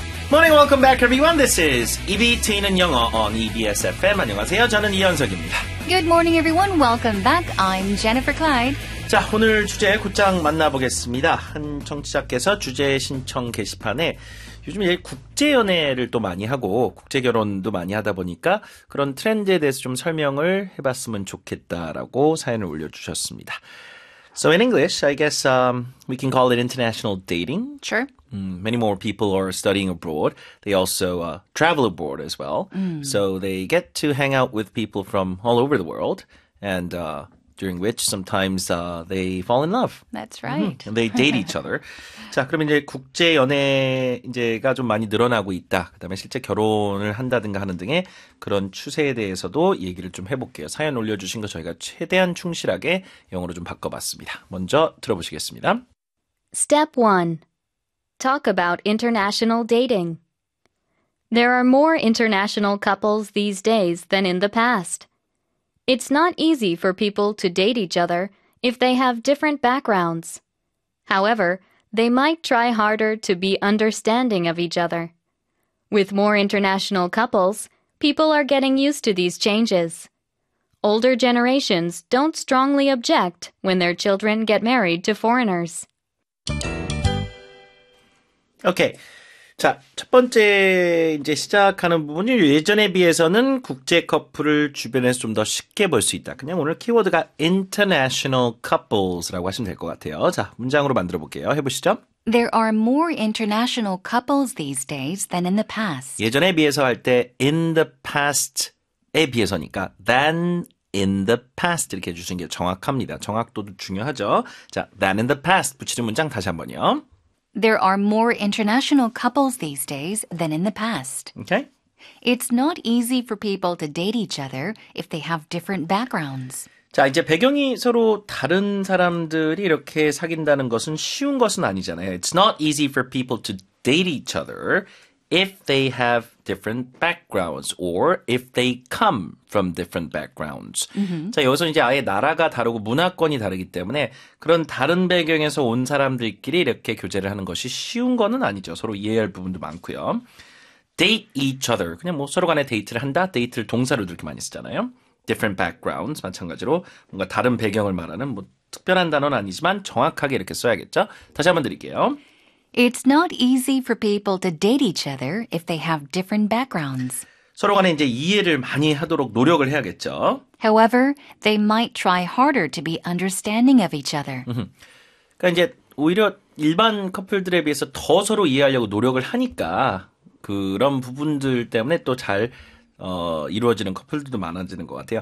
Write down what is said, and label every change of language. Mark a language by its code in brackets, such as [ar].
[en] Morning, welcome back, everyone. This is EB Teen and Young on EBS FM. [ko] 안녕하세요. 저는 이현석입니다. [en] Good morning, everyone. Welcome back. I'm Jennifer Clyde. [ko] 자, 오늘 주제 곧장 만나보겠습니다. 한 청취자께서 주제 신청 게시판에 요즘 국제연애를 또 많이 하고 국제결혼도 많이 하다 보니까 그런 트렌드에 대해서 좀 설명을 해봤으면 좋겠다라고 사연을 올려주셨습니다. [en] So in English, I guess we can call it international dating. Sure. Many more people are studying abroad. They also travel abroad as well. So they get to hang out with people from all over the world and... during which sometimes they fall in love. That's right. Mm-hmm. And they date each other. [ko] 자, 그럼 이제 국제 연애 이제가 좀 많이 늘어나고 있다. 그다음에 실제 결혼을 한다든가 하는 등의 그런 추세에 대해서도 얘기를 좀 해볼게요. 사연 올려주신 거 저희가 최대한 충실하게 영어로 좀 바꿔봤습니다. 먼저 들어보시겠습니다. [en] Step 1. Talk about international dating. There are more international couples these days than in the past. It's not easy for people to date each other if they have different backgrounds. However, they might try harder to be understanding of each other. With more international couples, people are getting used to these changes. Older generations don't strongly object when their children get married to foreigners. Okay. [ko] 자, 첫 번째 이제 시작하는 부분이 예전에 비해서는 국제 커플을 주변에서 좀 더 쉽게 볼 수 있다. 그냥 오늘 키워드가 [en] international couples [ko] 라고 하시면 될 것 같아요. 자, 문장으로 만들어 볼게요. 해보시죠. [en] There are more international couples these days than in the past. [ko] 예전에 비해서 할 때 [en] in the past [ko] 에 비해서니까 [en] than in the past [ko] 이렇게 해주신 게 정확합니다. 정확도도 중요하죠. 자, [en] than in the past [ko] 붙이는 문장 다시 한번요. [en] There are more international couples these days than in the past. Okay. It's not easy for people to date each other if they have different backgrounds. [ko] 자, 이제 배경이 서로 다른 사람들이 이렇게 사귄다는 것은 쉬운 것은 아니잖아요. [en] It's not easy for people to date each other if they have different backgrounds or if they come from different backgrounds. Mm-hmm. [ko] 자, 여기서 이제 아예 나라가 다르고 문화권이 다르기 때문에 그런 다른 배경에서 온 사람들끼리 이렇게 교제를 하는 것이 쉬운 거는 아니죠. 서로 이해할 부분도 많고요. [en] Date each other. [ko] 그냥 뭐 서로 간에 데이트를 한다. 데이트를 동사로 이렇게 많이 쓰잖아요. [en] Different backgrounds. [ko] 마찬가지로 뭔가 다른 배경을 말하는 뭐 특별한 단어는 아니지만 정확하게 이렇게 써야겠죠. 다시 한번 드릴게요. [en] It's not easy for people to date each other if they have different backgrounds. [ko] 서로 간에 이제 이해를 많이 하도록 노력을 해야겠죠. [en] However, they might try harder to be understanding of each other. [ko] 그러니까 이제 오히려 일반 커플들에 비해서 더 서로 이해하려고 노력을 하니까 그런 부분들 때문에 또 잘 이루어지는 커플들도 많아지는 것 같아요.